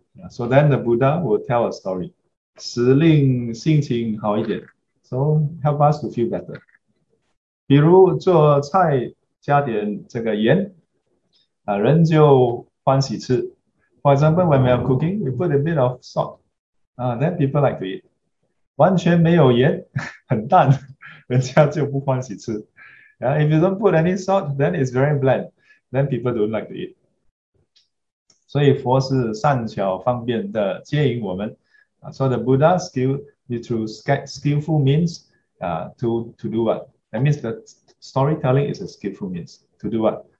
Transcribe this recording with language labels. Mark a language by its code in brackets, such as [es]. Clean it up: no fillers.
[en] So then the Buddha will tell a story。 [zh] 使令心情好一点， [en] so help us to feel better。 [zh] 比如做菜加点这个盐，人就欢喜吃。 [en] For example, when we are cooking, we put a bit of salt, then people like to eat。 [zh] 完全没有盐，很淡，人家就不欢喜吃。 [en] If you don't put any salt, then it's very bland, then people don't like to eat。 [zh] 所以佛是善巧方便的接引我们。 [en] So the Buddha skillful means to do what? That means that storytelling is a skillful means to do what?